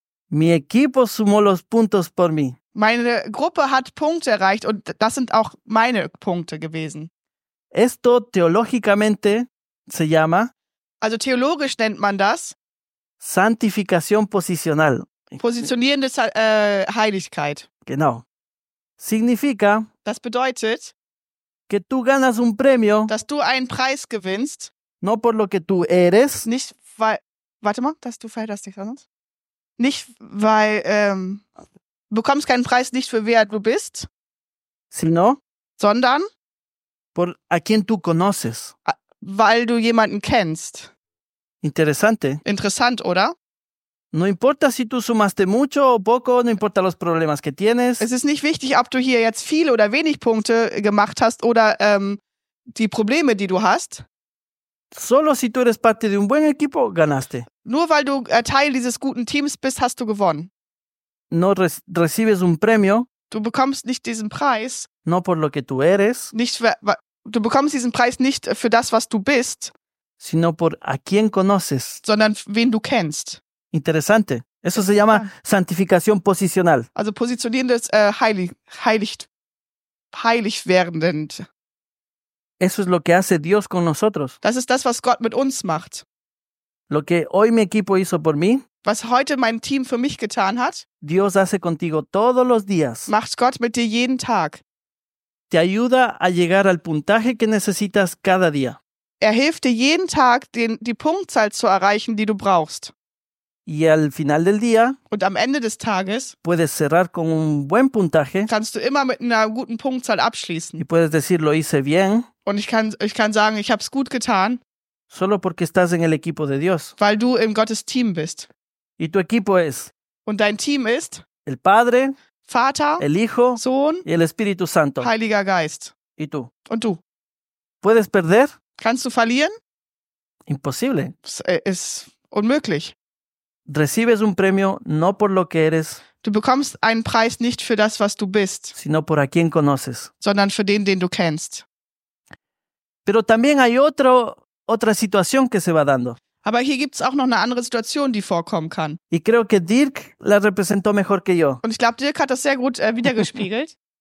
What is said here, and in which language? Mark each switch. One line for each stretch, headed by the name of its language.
Spanish: Mi equipo sumó los puntos por mí.
German: Meine Gruppe hat Punkte erreicht und das sind auch meine Punkte gewesen.
Spanish: Esto teológicamente se llama.
German: Also theologisch nennt man das.
Spanish: Santificación posicional.
German: Positionierende Heiligkeit.
Spanish: Genau. Significa.
German: Das bedeutet,
Spanish: que tú ganas un premio,
German: dass du einen Preis gewinnst.
Spanish: No por lo que tú eres.
German: Nicht weil. Warte mal, dass du verhältst dich anders. Nicht weil. Bekommst keinen Preis nicht für wer du bist.
Spanish: Sino.
German: Sondern.
Spanish: Por a quien tú conoces.
German: Weil du jemanden kennst.
Spanish: Interessante.
German: Interessant, oder?
Spanish: No importa si tú sumaste mucho o poco, no importa los problemas que tienes.
German: Es ist nicht wichtig, ob du hier jetzt viele oder wenig Punkte gemacht hast oder die Probleme, die du hast.
Spanish: Solo si tú eres parte de un buen equipo, ganaste.
German: Nur weil du Teil dieses guten Teams bist, hast du gewonnen.
Spanish: No recibes un premio.
German: Du bekommst nicht diesen Preis.
Spanish: No por lo que tú eres.
German: Nicht für, du bekommst diesen Preis nicht für das, was du bist.
Spanish: Sino por a quien conoces.
German: Sondern wen du kennst.
Spanish: Interessante. Eso se llama santificación posicional.
German: Also positionierendes heilig werdend.
Spanish: Eso es lo que hace Dios con nosotros.
German: Das ist das, was Gott mit uns macht.
Spanish: Lo que hoy mi equipo hizo por mí.
German: Was heute mein Team für mich getan hat.
Spanish: Dios hace contigo todos los días.
German: Macht Gott mit dir jeden Tag.
Spanish: Te ayuda a llegar al puntaje que necesitas cada día.
German: Er hilft dir jeden Tag, die Punktzahl zu erreichen, die du brauchst.
Spanish: Y al final del día,
German: und am Ende des Tages
Spanish: puedes cerrar con un buen puntaje,
German: kannst du immer mit einer guten Punktzahl abschließen.
Spanish: Y puedes decir, lo hice bien,
German: und ich kann sagen, ich habe es gut getan,
Spanish: solo porque estás en el equipo de Dios.
German: Weil du in Gottes Team bist.
Spanish: Y tu equipo es,
German: und dein Team ist
Spanish: el Padre,
German: Vater,
Spanish: el Hijo,
German: Sohn,
Spanish: y el Espíritu Santo,
German: Heiliger Geist.
Spanish: Y tú.
German: Und du.
Spanish: Puedes perder?
German: Kannst du verlieren?
Spanish: Imposible.
German: Ist unmöglich.
Spanish: Recibes un premio no por lo que eres.
German: Du bekommst einen Preis nicht für das, was du bist.
Spanish: Sino por a quien conoces.
German: Sondern für den du kennst.
Spanish: Pero también hay otra situación que se va dando.
German: Aber hier gibt's auch noch eine andere Situation, die vorkommen kann.
Spanish: Y creo que Dirk la representó mejor que yo.
German: Und ich glaube, Dirk hat das sehr gut wiedergespiegelt.